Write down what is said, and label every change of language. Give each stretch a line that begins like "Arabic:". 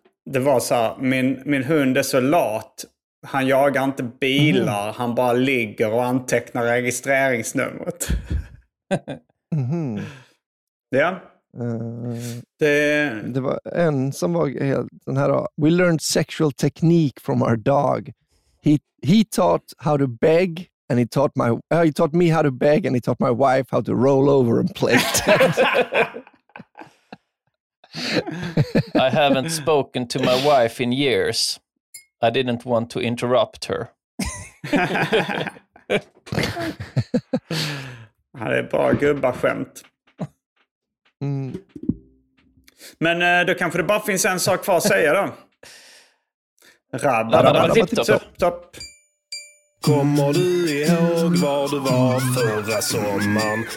Swedish: Det var så här, min hund är så lat. Han jagar inte bilar. Han bara ligger och antecknar registreringsnumret. Ja. Det var en som var helt den här då.
English: We learned sexual technique from our dog. He taught how to beg and he taught me how to beg and he taught my wife how to roll over and play it. I haven't spoken to my wife in years. I didn't want to interrupt her.
Swedish: Det är bara gubbar skämt. Men då kanske det bara finns en sak kvar att säga då. Rabba, rabba, rabba, tipp, topp. Kommer du ihåg var du var förra sommaren?